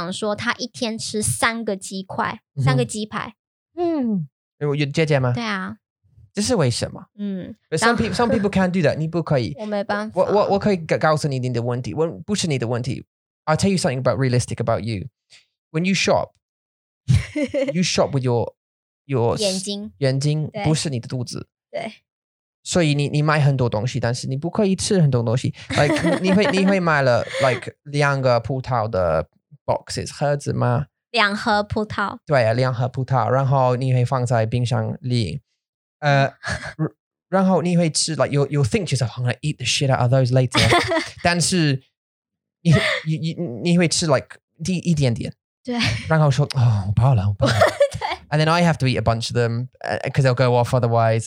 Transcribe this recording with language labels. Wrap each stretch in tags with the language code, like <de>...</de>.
<zh>我妈妈跟我讲说她一天吃三个鸡块, 三个鸡排。有姐姐吗? 对啊。这是为什么?</zh> <en>But some people can't do that,</en> <zh>你不可以。我没办法。我可以告诉你你的问题, 不是你的问题。</zh> <en>I'll tell you something about realistic about you. When you shop, you shop with your</en> <zh>眼睛, 眼睛, 不是你的肚子。对。所以你买很多东西, 但是你不可以吃很多东西。 Like, 你会买了, like, 两个葡萄的 boxes, 盒子吗? 两盒葡萄。对, 两盒葡萄, 然后你会放在冰箱里。然后你会吃,</zh> <en>like, you'll think to yourself, I'm gonna eat the shit out of those later.</en> <zh>但是, 你会吃, like, 一点点。对。然后说, oh, 我饱了。</zh> <en>And then I have to eat a bunch of them because they'll go off otherwise.</en>